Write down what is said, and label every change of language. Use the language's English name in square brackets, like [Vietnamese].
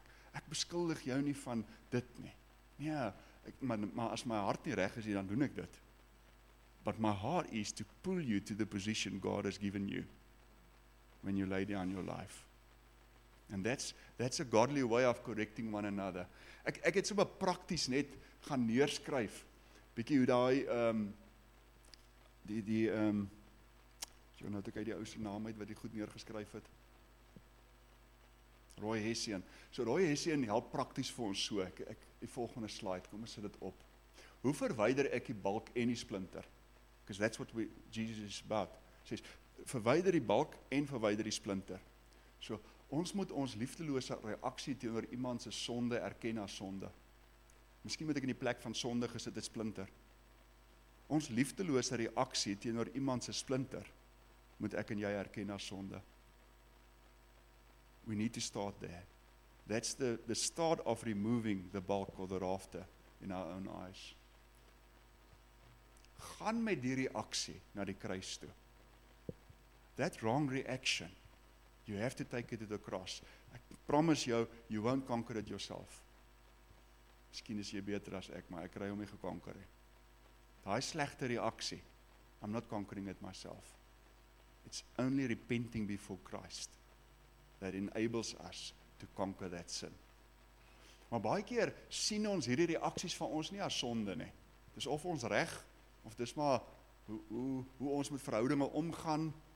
[Afrikaans] Ek beskuldig jou nie van dit nie. Ja, maar as my hart nie reg is, dan doen ek dit. [English] But my heart is to pull you to the position God has given you when you lay down your life. And that's a godly way of correcting one another. [Afrikaans] Ek het sommer prakties net gaan neerskryf. Bietjie hoe daai so nou het ek uit die ou se naam uit wat ek goed neergeskryf het. Roy Hessian. So Roy Hessian help prakties vir ons so. Ek die volgende slide, kom ons sit dit op. Hoe verwyder ek die balk en die splinter? [English] Because that's what Jesus is about. [Afrikaans] Sê verwyder die balk en verwyder die splinter. So ons moet ons liefdelose reaksie teenoor iemand se sonde erken as sonde. Miskien moet ek in die plek van sonde gesit het splinter. Ons liefdelose reaksie teenoor iemand se splinter moet ek en jy erken as sonde. [English] We need to start there. That's the start of removing the bulk or the rafter in our own eyes. [Afrikaans] Gaan met die reaksie na die kruis toe. [English] That wrong reaction, you have to take it to the cross. I promise you, you won't conquer it yourself. [Afrikaans] Miskien is jy beter as ek, maar ek kry hom nie gekonker nie. Daai slegte reaksie, [English] I'm not conquering it myself. It's only repenting before Christ that enables us to conquer that sin. [Afrikaans] Maar baie keer sien ons hierdie reaksies van ons nie as sonde nie. Dis of ons reg, of dis maar hoe ons met verhoudinge omgaan.